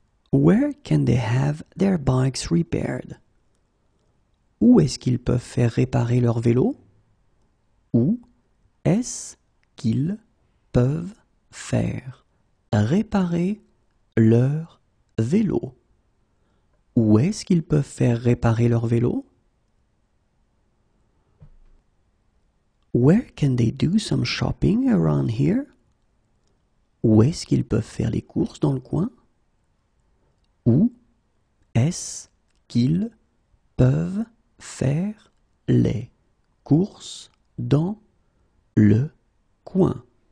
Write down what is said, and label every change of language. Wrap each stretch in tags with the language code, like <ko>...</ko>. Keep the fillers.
<en>Where can they have their bikes repaired?</en> <fr>Où est-ce qu'ils peuvent faire réparer leur vélo? Où est-ce qu'ils peuvent faire réparer leur vélo? Où est qu'ils peuvent Faire réparer leur vélo?</fr> <en>Where can they do some shopping around here?</en> <fr>Où est-ce qu'ils peuvent faire les courses dans le coin? Où est-ce qu'ils peuvent faire les courses dans le coin?</fr>